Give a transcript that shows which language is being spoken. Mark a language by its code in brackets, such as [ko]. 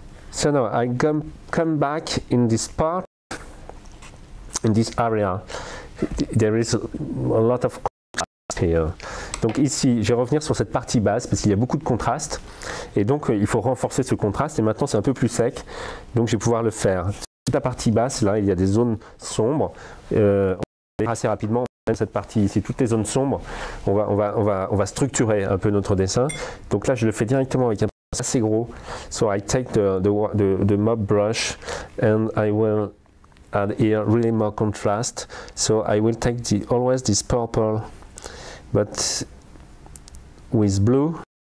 [en] So now I come back in this part, in this area. There is a lot of contrast here. [fr] Donc ici, je vais revenir sur cette partie basse parce qu'il y a beaucoup de contraste. Et donc, il faut renforcer ce contraste. Et maintenant, c'est un peu plus sec. Donc, je vais pouvoir le faire. Sur la partie basse, là, il y a des zones sombres. On va aller assez rapidement. Cette partie ici, toutes les zones sombres, on va structurer un peu notre dessin. Donc là, je le fais directement avec un assez gros. [en] So I take the mop brush and I will add here really more contrast. So I will take always this purple, but with blue.